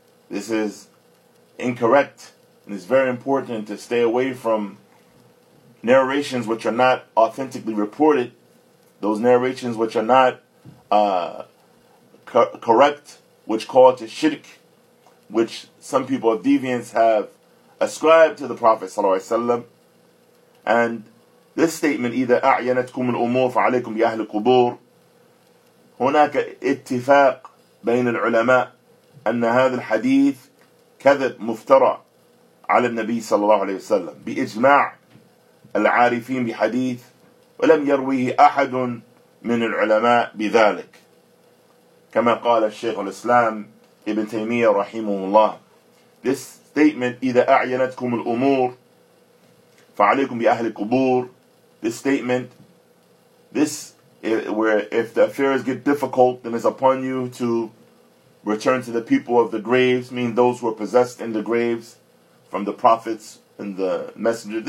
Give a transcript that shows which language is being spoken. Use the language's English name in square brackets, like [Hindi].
[English] This is incorrect, and it's very important to stay away from narrations which are not authentically reported, those narrations which are not correct, which call to shirk, which some people of deviance have ascribed to the Prophet ﷺ, and this statement, either [Arabic] أعينتكم الأمور فعليكم بأهل القبور, هناك اتفاق بين العلماء أن هذا الحديث كذب مفترى على النبي صلى الله عليه وسلم بإجماع العارفين بحديث ولم يرويه أحد من العلماء بذلك كما قال الشيخ الإسلام ابن تيمية رحمه الله. [English] This statement, [Arabic] إذا أعينتكم الأمور فعليكم بأهل القبور, [English] this statement, where if the affairs get difficult, then it's upon you to return to the people of the graves, mean those who are possessed in the graves from the prophets and the messenger.